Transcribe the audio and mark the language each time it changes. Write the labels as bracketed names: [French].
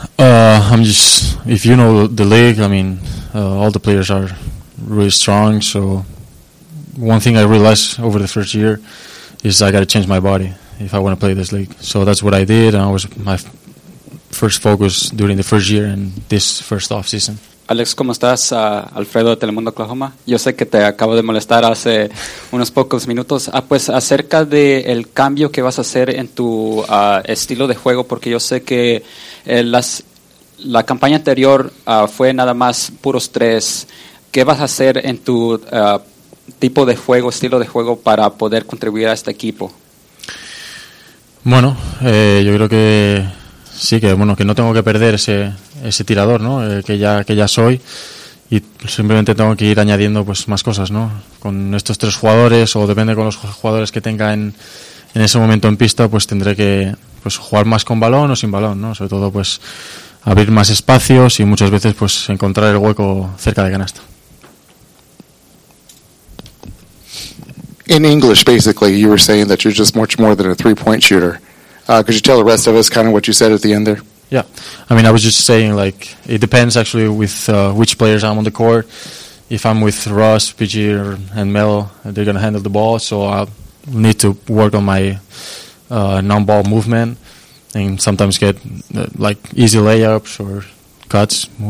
[English] If you know the league, I mean, all the players are really strong, so one thing I realized over the first year is I got to change my body if I want to play this league. So that's what I did, and I was my first focus during the first year and this first off season. [Spanish] Alex, ¿cómo estás? Alfredo de Telemundo, Oklahoma. Yo sé que te acabo de molestar hace unos pocos minutos. Pues acerca del cambio que vas a hacer en tu estilo de juego, porque yo sé que la campaña anterior fue nada más puros tres. ¿Qué vas a hacer en tu tipo de juego, estilo de juego, para poder contribuir a este equipo? Bueno, yo creo que sí, que bueno, que no tengo que perder ese tirador, ¿no? Que ya soy, y simplemente tengo que ir añadiendo pues más cosas, ¿no? Con estos tres jugadores, o depende con los jugadores que tenga en ese momento en pista, pues tendré que pues jugar más con balón o sin balón, ¿no? Sobre todo pues abrir más espacios y muchas veces pues encontrar el hueco cerca de canasta. [English] In English, basically, you were saying that you're just much more than a three-point shooter. Could you tell the rest of us kind of what you said at the end there? Yeah, I mean, I was just saying, like, it depends actually with which players I'm on the court. If I'm with Russ, PG, and Mel, they're going to handle the ball, so I'll need to work on my non-ball movement and sometimes get, like, easy layups or cuts.